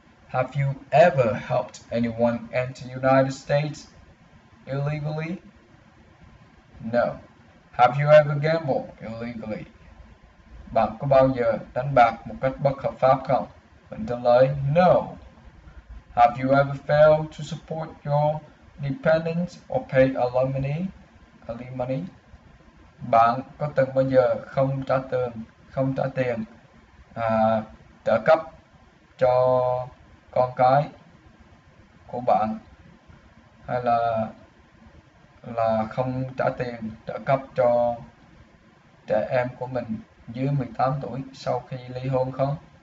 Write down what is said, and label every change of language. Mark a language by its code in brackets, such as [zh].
[en] Have you ever helped anyone enter the United States illegally? No. Have you ever gambled illegally? [vi] Bạn có bao giờ đánh bạc một cách bất hợp pháp không? Mình trả lời no. [en] Have you ever failed to support your dependents or pay alimony? [vi] Bạn có từng bao giờ không trả tiền trợ cấp cho con cái của bạn, hay là không trả tiền trợ cấp cho trẻ em của mình dưới 18 tuổi sau khi ly hôn không?